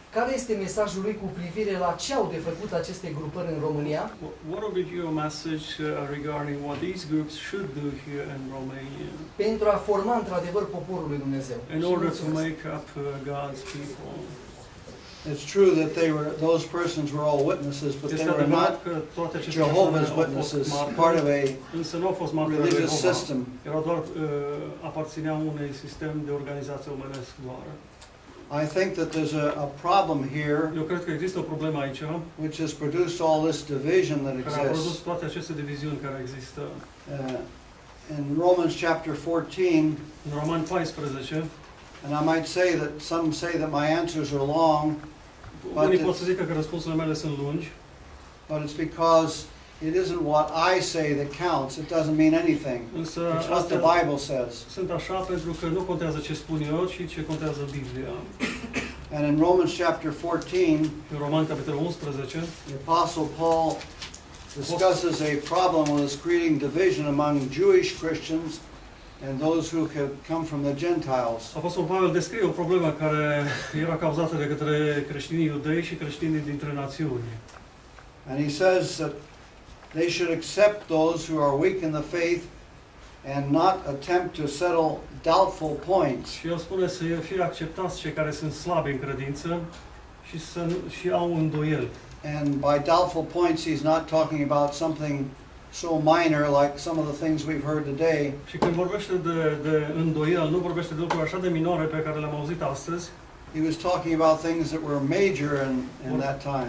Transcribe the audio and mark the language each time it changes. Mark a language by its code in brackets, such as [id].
[ro] Care este mesajul lui cu privire la ce au de făcut aceste grupări în România? [en] What would be your message regarding what these groups should do here in Romania? [ro] Pentru a forma într-adevăr poporul lui Dumnezeu. [en] In order to make up God's people. It's true that those persons were all witnesses, but they were not Jehovah's Witnesses, part of a religious system. I think that there's a problem here, [ro] eu cred că există o problemă aici, [en] which has produced all this division that exists. [ro] Care a produs toate aceste diviziuni care există. [en] In Romans chapter 14, [ro] în Roman 14, [en] and I might say that some say that my answers are long, but it's because it isn't what I say that counts. It doesn't mean anything. [ro] Însă [en] it's what the Bible says. [ro] Sunt așa pentru că nu contează ce spun eu, ci ce contează Biblia. [en] And in Romans chapter 14, [ro] în Roman capitolul 11, [en] the Apostle Paul discusses a problem with this creating division among Jewish Christians and those who have come from the Gentiles. [ro] Apostolul Pavel descrie o problemă care era cauzată de către creștinii iudei și creștinii dintre națiuni. [en] And he says that they should accept those who are weak in the faith and not attempt to settle doubtful points. [ro] Și el spune să fie acceptați cei care sunt slabi în credință și să nu, și au îndoieli. [en] And by doubtful points he's not talking about something so minor like some of the things we've heard today. [ro] Și când vorbește de îndoială, nu vorbește de lucruri așa de minore pe care le-am auzit astăzi. [en] He was talking about things that were major in that time.